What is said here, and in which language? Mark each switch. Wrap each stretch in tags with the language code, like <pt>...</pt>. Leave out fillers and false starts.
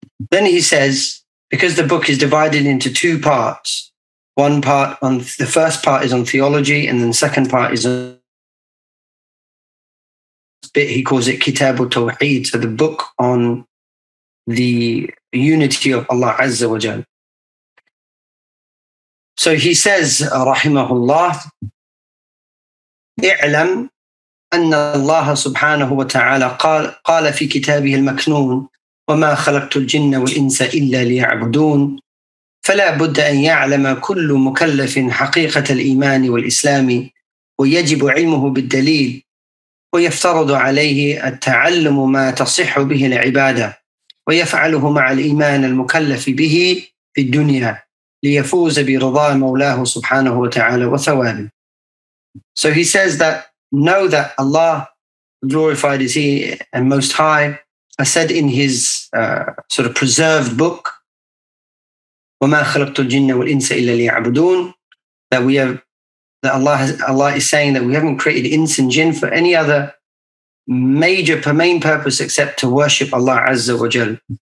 <en>Then he says, because the book is divided into two parts, one part on the first part is on theology, and then the second part is on bit, he calls it Kitab al-Tawheed, so the book on the unity of Allah Azza wa Jal. So he says,</en> <ar>rahimahullah, i'lam أن الله سبحانه وتعالى قال في كتابه المكنون وما خلقت الجن والإنس إلا ليعبدون, فلا بد أن يعلم كل مكلف حقيقة الإيمان والإسلام, ويجب علمه بالدليل, ويفترض عليه التعلم ما تصح به العبادة, ويفعله مع الإيمان المكلف به في الدنيا ليفوز برضا مولاه سبحانه وتعالى وثوابه.</ar> <en>So he says that, know that Allah, glorified is He and Most High, has said in His sort of preserved book,</en> <ar>وَمَا خَلَقْتُ الْجِنَّ وَالْإِنسَ إِلَّا لِيَعْبُدُونَ,</ar> <en>Allah is saying that we haven't created ins and jinn for any other major main purpose except to worship Allah Azza wa Jal.</en>